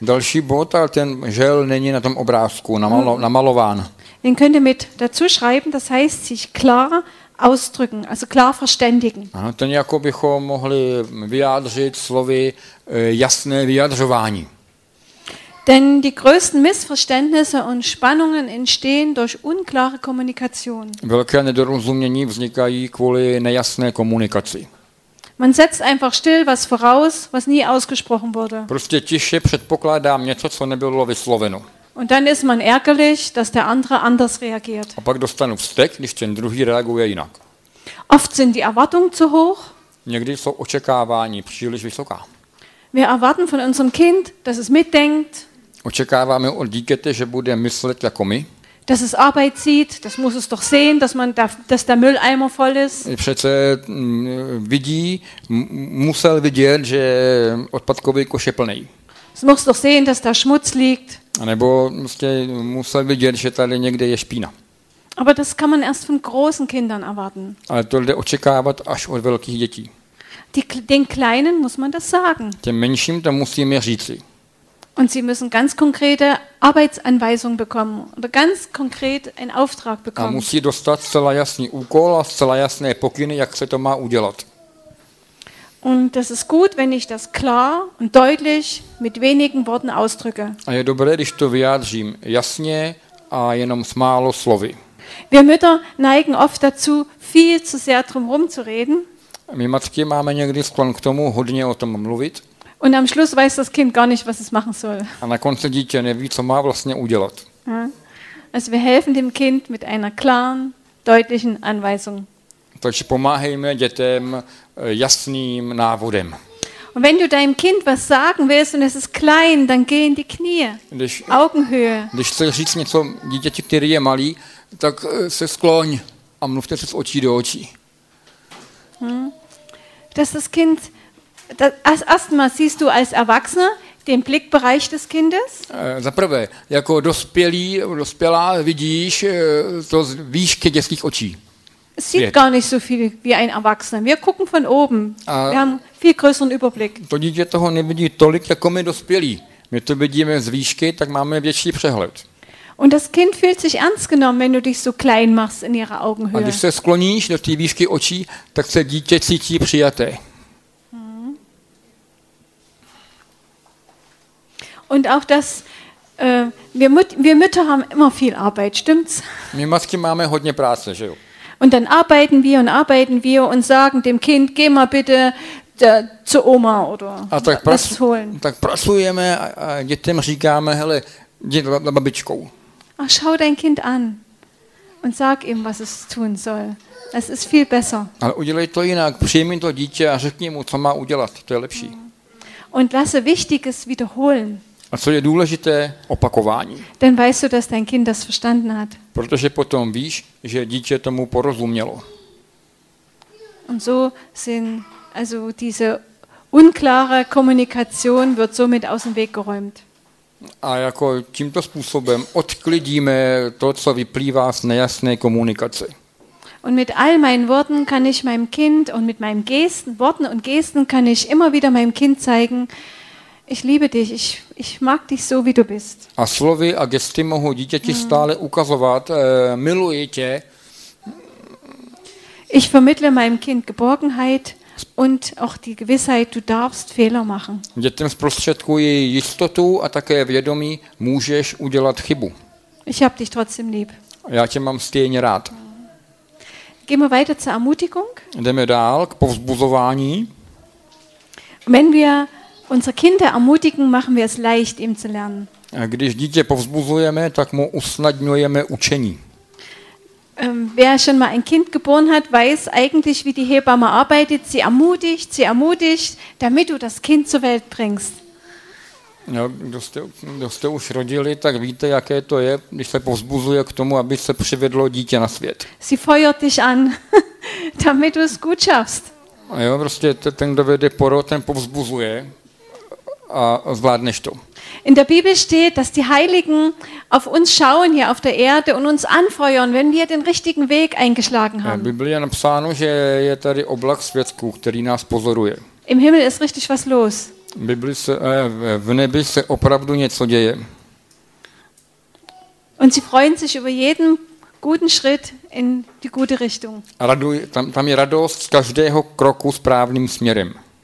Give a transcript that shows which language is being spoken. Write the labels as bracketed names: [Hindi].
[Czech] Další bod, ale ten žel není na tom obrázku namalován. [German] Den könnt ihr mit dazu schreiben, das heißt sich klar ausdrücken, also klar verständigen. [Czech] Ano, ten jako bychom mohli vyjádřit slovy jasné vyjadřování. [German] Denn die größten Missverständnisse und Spannungen entstehen durch unklare Kommunikation. [Czech] Velké nedorozumění vznikají kvůli nejasné komunikaci. [German] Man setzt einfach still was voraus, was nie ausgesprochen wurde. [Czech] Prostě tiše předpokládám něco, co nebylo vysloveno. [German] Und dann ist man ärgerlich, dass der andere anders reagiert. [Czech] A pak dostanu vztek, když ten druhý reaguje jinak. [German] Oft sind die Erwartungen zu hoch. [Czech] Někdy jsou očekávání příliš vysoká. [German] Wir erwarten von unserem Kind, dass es mitdenkt. [Czech] Očekáváme od dítěte, že bude myslet jako my. [German] Dass es Arbeit sieht, das muss es doch sehen, dass man da, dass der Mülleimer voll ist. [Czech] Přece vidí, musel vidět, že odpadkový koš je plný. [German] Es muss doch sehen, dass da Schmutz liegt. [Czech] A nebo musel vidět, že tady někde je špína. [German] Aber das kann man erst von großen Kindern erwarten. [Czech] Ale to lze očekávat až od velkých dětí. [German] Den Kleinen muss man das sagen. [Czech] Těm menším to musíme říci. [German] Und sie müssen ganz konkrete Arbeitsanweisungen bekommen oder ganz konkret einen Auftrag bekommen. [Czech] A musí dostat zcela jasný úkol a zcela jasné pokyny, jak se to má udělat. [German] Und das ist gut, wenn ich das klar und deutlich mit wenigen Worten ausdrücke. [Czech] A je dobré, když to vyjádřím jasně a jenom s málo slovy. [German] Wir Mütter neigen oft dazu, viel zu sehr drum herum zu reden. [Czech] My matky máme někdy sklon k tomu hodně o tom mluvit. [German] Und am Schluss weiß das Kind gar nicht, was es machen soll. [Czech] A na konci dítě neví, co má vlastně udělat. [German] Also wir helfen dem Kind mit einer klaren, deutlichen Anweisung. [Czech] Takže pomáhejme dětem jasným návodem. [German] Und wenn du deinem Kind was sagen willst und es ist klein, dann geh in die Knie. [Czech] Když, [German] Augenhöhe. [Czech] Když chceš říct něco dítěti, který je malý, tak se skloň a mluvte se z očí do očí. [German] Dass das Kind das erstmal siehst du als Erwachsener den Blickbereich des Kindes? [Czech] Za prvé, jako dospělý, dospělá vidíš to z výšky dětských očí. [German] Sieht gar nicht so viel wie ein Erwachsener. Wir gucken von oben. A wir haben viel größeren Überblick. [Czech] To dítě toho nevidí tolik jako my dospělí. My to vidíme z výšky, tak máme větší přehled. [German] Und das Kind fühlt sich ernst genommen, wenn du dich so klein machst in ihrer Augenhöhe. [Czech] A když se skloníš do té výšky očí, tak se dítě cítí přijaté. [German] Und auch das wir Mütter haben immer viel Arbeit, stimmt's? [Czech] My matky máme hodně práce, že jo. [German] Und dann arbeiten wir und sagen dem Kind, geh mal bitte zu Oma oder was holen. [Czech] Tak pracujeme a dětem říkáme, hele, jdi za babičkou. [German] A schau dein Kind an und sag ihm, was es tun soll. Es ist viel besser. [Czech] Ale udělej to jinak, přijmi to dítě a řekni mu, co má udělat, to je lepší. [German] Und lasse Wichtiges wiederholen. [Czech] A co je důležité, opakování. [German] Dann weißt du, dass dein Kind das verstanden hat. [Czech] Protože potom víš, že dítě tomu porozumělo. [German] Und so sind also diese unklare Kommunikation wird somit aus dem Weg geräumt. [Czech] A jako tímto způsobem odklidíme to, co vyplývá z nejasné komunikace. [German] Und mit all meinen Worten kann ich meinem Kind und mit meinen Gesten, Worten und Gesten kann ich immer wieder meinem Kind zeigen, ich liebe dich, ich mag dich so wie du bist. [Czech] A slovy a gesty mohou dítěti stále ukazovat, miluji tě. [German] Ich vermittle meinem Kind Geborgenheit und auch die Gewissheit, du darfst Fehler machen. [Czech] Dětem zprostředkuji jistotu a také vědomí, můžeš udělat chybu. [German] Ich hab dich trotzdem lieb. [Czech] Já tě mám stejně rád. [German] Gehen wir weiter zur Ermutigung. [Czech] Jdeme dál k povzbuzování. [German] Wenn wir unser Kind ermutigen, machen wir es leicht, ihm zu lernen. [Czech] A když dítě povzbuzujeme, tak mu usnadňujeme učení. [German] Wer schon mal ein Kind geboren hat, weiß eigentlich, wie die Hebamme arbeitet. Sie ermutigt, damit du das Kind zur Welt bringst. [Czech] No, kdo jste už rodili, tak víte, jaké to je, když se povzbuzuje k tomu, aby se přivedlo dítě na svět. [German] Sie feuert dich an, damit du es gut schaffst. [Czech] Jo, prostě ten, kdo vede porod, ten povzbuzuje a zvládneš to. [German] In der Bibel steht, dass die Heiligen auf uns schauen hier auf der Erde und uns anfeuern, wenn wir den richtigen Weg eingeschlagen haben. [Czech] V Biblii je napsáno, že je tady oblak světků, který nás pozoruje. [German] Im Himmel ist richtig was los. [Czech] V nebi se opravdu něco děje. [German] Und sie freuen sich über jeden guten Schritt in die gute Richtung. [Czech] Tam je radost z každého kroku správným směrem.